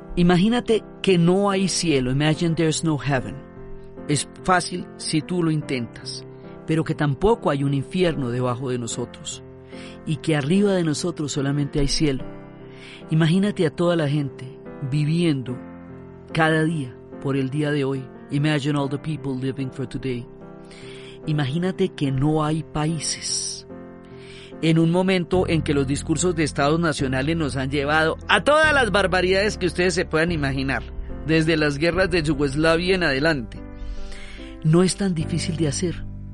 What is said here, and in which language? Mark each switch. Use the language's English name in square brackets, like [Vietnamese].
[Spanish] Imagínate que no hay cielo. [English] Imagine there's no heaven. [Spanish] Es fácil si tú lo intentas, pero que tampoco hay un infierno debajo de nosotros y que arriba de nosotros solamente hay cielo. Imagínate a toda la gente viviendo cada día por el día de hoy. [English] Imagine all the people living for today. [Spanish] Imagínate que no hay países. En un momento en que los discursos de estados nacionales nos han llevado a todas las barbaridades que ustedes se puedan imaginar, desde las guerras de Yugoslavia en adelante, no es tan difícil de hacer.